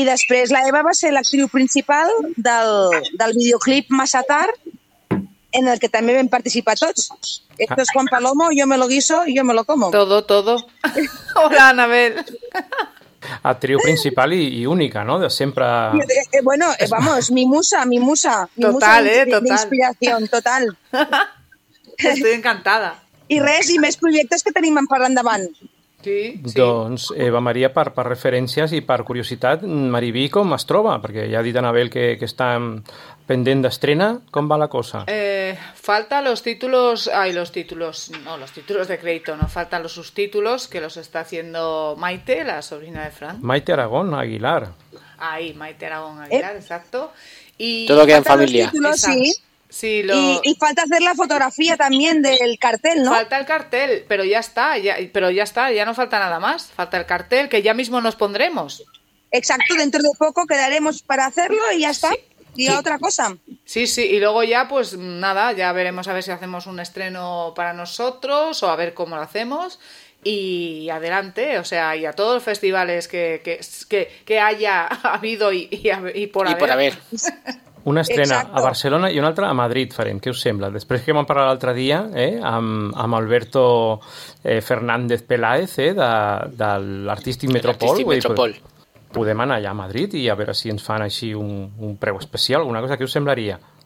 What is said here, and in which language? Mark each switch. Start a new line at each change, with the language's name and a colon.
Catalan: I després la Eva va ser l'actriu principal del videoclip Massa Tard, en el que també vam participar tots.
Spanish: Esto es Juan Palomo, yo me lo guiso y yo me lo como. Todo. Hola, Anabel.
Catalan: actriu principal i única, no? De sempre...
Spanish: Bueno, vamos, mi musa. Total, total. Inspiración, total. Estoy encantada.
Catalan: I res, i més projectes que tenim per endavant. Sí, sí. Doncs, Eva Maria, per referències i per curiositat, Mariví, com es troba? Perquè ja ha dit Anabel que està pendent d'estrena. Com va la cosa?
Spanish: Falta los títulos... Ay, los títulos... No, los títulos de crédito, no. Falta los subtítulos que los está haciendo Maite, la sobrina de Fran. Maite Aragón Aguilar. Ahí, Maite Aragón Aguilar, exacto. Y todo queda en familia. Títulos, sí. Sí, y falta hacer la fotografía también del cartel, ¿no? Falta el cartel, pero ya está, ya no falta nada más. Falta el cartel, que ya mismo nos pondremos. Exacto, dentro de poco quedaremos para hacerlo y ya está. Sí. Y sí. Otra cosa. Sí, sí, y luego ya pues nada, ya veremos a ver si hacemos un estreno para nosotros o a ver cómo lo hacemos. Y adelante, o sea, y a todos los festivales que haya habido y por haber. Y por haber.
Catalan: Una estrena. Exacto. A Barcelona i una altra a Madrid farem. Què us sembla? Després que vam parlar l'altre dia amb Alberto Fernández Peláez, de l'Artístic Metropol. Podem anar allà a Madrid i a veure si ens fan així un preu especial, alguna cosa. Què us semblaria?